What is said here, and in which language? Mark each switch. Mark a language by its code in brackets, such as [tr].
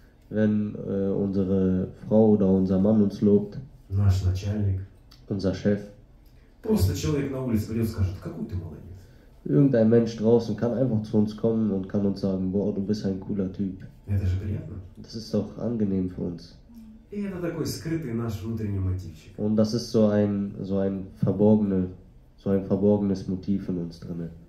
[de] Wenn unsere Frau oder unser Mann uns lobt. [ru] Наш начальник. [de] Unser Chef. [ru] Просто человек на улице придет и скажет, какой ты молодец. [de] Irgendein Mensch draußen kann einfach zu uns kommen und kann uns sagen, boah, du bist ein cooler Typ. Das ist doch angenehm für uns. Und das ist so ein verborgenes Motiv in uns drin.